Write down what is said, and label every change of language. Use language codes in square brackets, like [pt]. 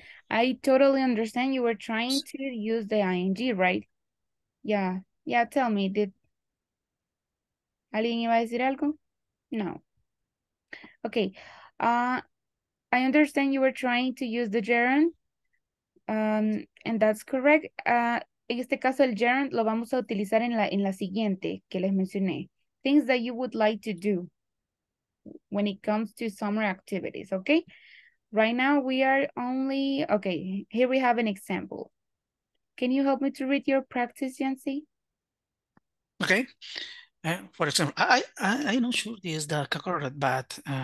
[en] I totally understand. You were trying to use the ing, right? Yeah. Yeah, tell me, did [es] alguien iba a decir algo? [en] No. Okay. I understand you were trying to use the gerund. And that's correct. [es] En este caso, el gerund lo vamos a utilizar en la siguiente que les mencioné. [en] Things that you would like to do when it comes to summer activities, okay? Right now, we are only... Okay, here we have an example. Can you help me to read your practice, Yancy? Okay. For example, I'm not sure this is the correct, but...